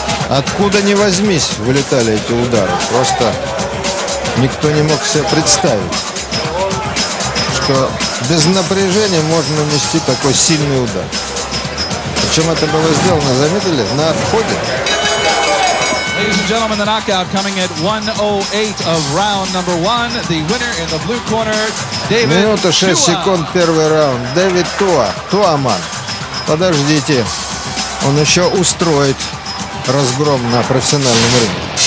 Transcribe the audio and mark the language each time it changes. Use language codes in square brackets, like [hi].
[ru] Откуда ни возьмись, вылетали эти удары. Просто никто не мог себе представить, что без напряжения можно нанести такой сильный удар. Причем это было сделано, заметили, на отходе. [en] Ladies and gentlemen, the knockout coming at 108 of round number one. The winner in the blue corner, David Tua. [ru] Минута 6 секунд, первый раунд. Дэвид Тува, Туаман. Подождите, он еще устроит разгром на профессиональном рынке.